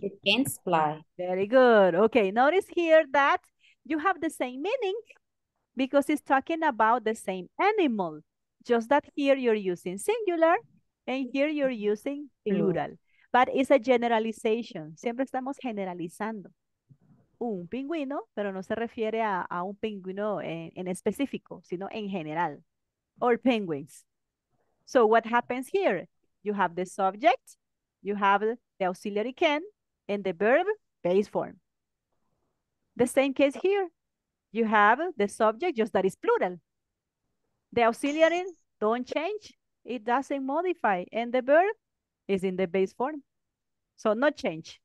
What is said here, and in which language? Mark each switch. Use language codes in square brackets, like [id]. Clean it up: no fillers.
[en] They can't fly. Very good. Okay, notice here that you have the same meaning because it's talking about the same animal. Just that here you're using singular and here you're using plural. But it's a generalization. [es] Siempre estamos generalizando. Un pingüino, pero no se refiere a un pingüino en específico, sino en general. [en] Or penguins. So what happens here? You have the subject, you have the auxiliary can, and the verb base form. The same case here. You have the subject, just that is plural. The auxiliary don't change, it doesn't modify, and the verb is in the base form. So no change.